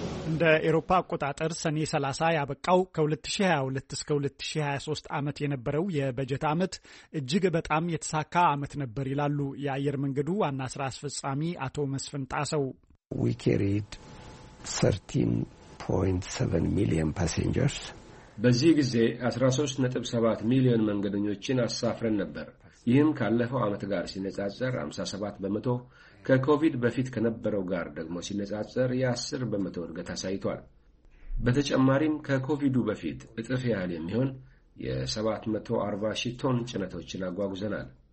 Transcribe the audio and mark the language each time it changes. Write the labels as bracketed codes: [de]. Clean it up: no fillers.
[am] እንደ አውሮፓ አቆጣጠር ሰኔ 30 ያበቃው ከ2022 እስከ 2023 ዓመት የነበረው የበጀት ዓመት እጅግ በጣም የተሳካ ዓመት ነበር ይላሉ የአየር መንገዱ ዋና ስራ አስፈጻሚ አቶ መስፍን ጣሰው። [en] We carried 13.7 million passengers. [am] በዚህ ጊዜ 13.7 ሚሊዮን መንገደኞችን አሳፍረን ነበር። ይህም ካለፈው ዓመት ጋር ሲነጻጸር 57% ከኮቪድ በፊት ከነበረው ጋር ደግሞ ሲነጻጸር የ10% እድገት አሳይቷል። በተጨማሪም ከኮቪዱ በፊት እጥፍ ያህል የሚሆን የ740 ሺህ ቶን ጭነቶችን አጓጉዘናል።